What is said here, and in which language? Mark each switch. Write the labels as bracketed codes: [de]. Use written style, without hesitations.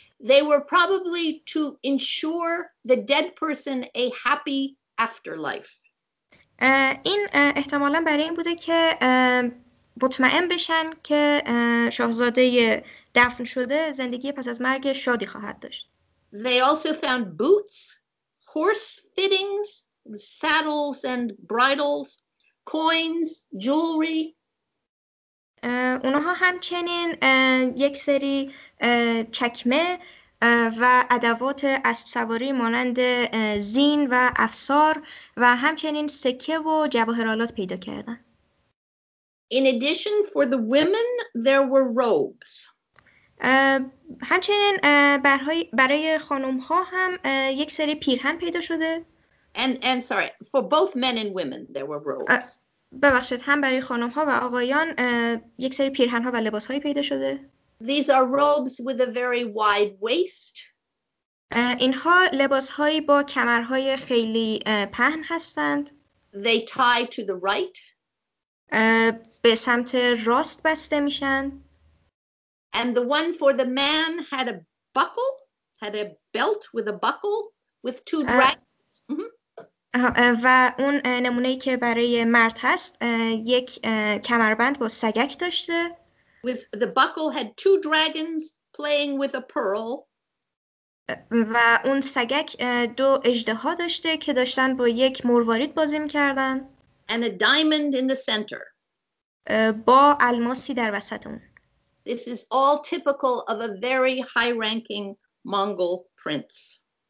[en] They were probably to ensure the dead person a happy afterlife. [fa] این احتمالاً برای این بوده که مطمئن بشن که شاهزاده دفن شده زندگی پس از مرگ شادی خواهد داشت. [en] They also found boots, horse fittings, saddles and bridles, coins, jewelry. [fa] اونها همچنین یک سری چکمه و ادوات اسب سواری مانند زین و افسار و همچنین سکه و جواهرالات پیدا کردن. [en] In addition for the women there were robes. [fa] همچنین برای خانم ها هم یک سری پیرهن پیدا شده. [en] And sorry for both men and women there were robes. [fa] ببخشید هم برای خانم ها و آقایان یک سری پیرهن ها و لباس هایی پیدا شده. [en] These are robes with a very wide waist. [fa] اینها لباس‌هایی با کمرهای خیلی پهن هستند. [en] They tie to the right. [fa] به سمت راست بسته میشن. [en] And the one for the man had a buckle, had a belt with a buckle with two dragons. [fa] و اون نمونه‌ای که برای مرد هست یک کمربند با سگک داشته. [en] With the buckle had two dragons playing with a pearl. [fa] و اون سگک دو اژدها داشته که داشتن با یک مروارید بازی می‌کردن. [en] And a diamond in the center. [fa] با الماسی در وسط اون. [en] This is all typical of a very high-ranking Mongol prince.